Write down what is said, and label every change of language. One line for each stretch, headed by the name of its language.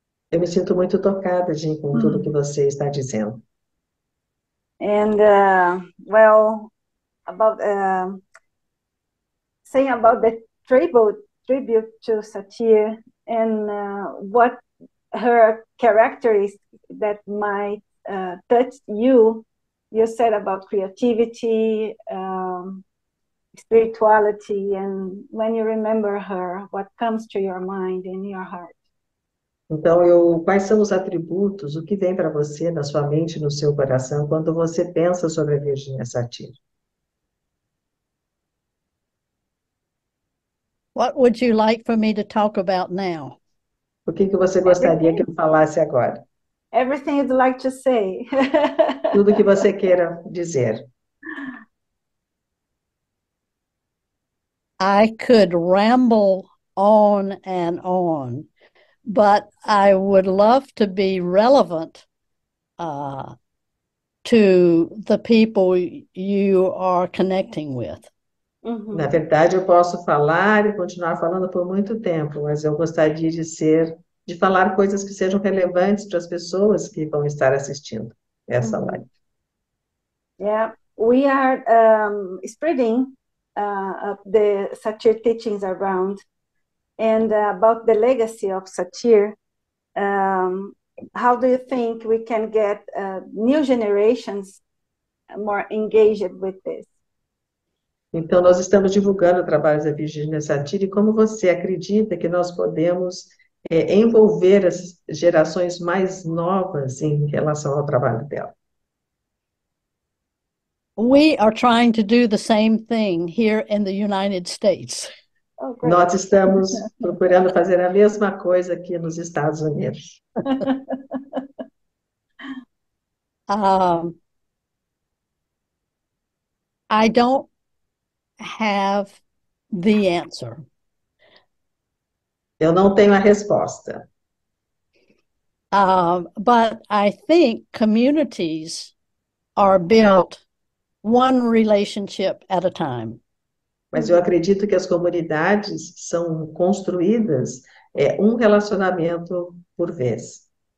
Portuguese: Eu me sinto muito tocada, Jean, com tudo que você está dizendo.
English: And, well, about saying about the tribute to Satir and what her characteristics that might touch you. You said about creativity, spirituality, and when you remember her, what comes to your mind and your heart?
Portuguese: Então, quais são os atributos, o que vem para você na sua mente, no seu coração, quando você pensa sobre a Virgínia Satir?
English: What would you like for me to talk about now?
Portuguese: O que você gostaria
English: Everything.
Portuguese: Que eu falasse agora?
English: Everything you'd like to say.
Portuguese: Tudo que você queira dizer.
English: I could ramble on and on, but I would love to be relevant to the people you are connecting with.
Portuguese: Na verdade, eu posso falar e continuar falando por muito tempo, mas eu gostaria de falar coisas que sejam relevantes para as pessoas que vão estar assistindo essa live.
English: Yeah, we are spreading the Satir teachings around and about the legacy of Satir. How do you think we can get new generations more engaged with this?
Portuguese: Então, nós estamos divulgando o trabalho da Virginia Satir e como você acredita que nós podemos envolver as gerações mais novas em relação ao trabalho dela?
English: We are trying to do the same thing here in the United States. Oh, great.
Portuguese: Nós estamos procurando fazer a mesma coisa aqui nos Estados Unidos.
English: I don't have the answer.
Portuguese: Eu não tenho a resposta.
English: But I think communities are built one relationship at a time.
Portuguese: Mas eu acredito que as comunidades são construídas um relacionamento por vez.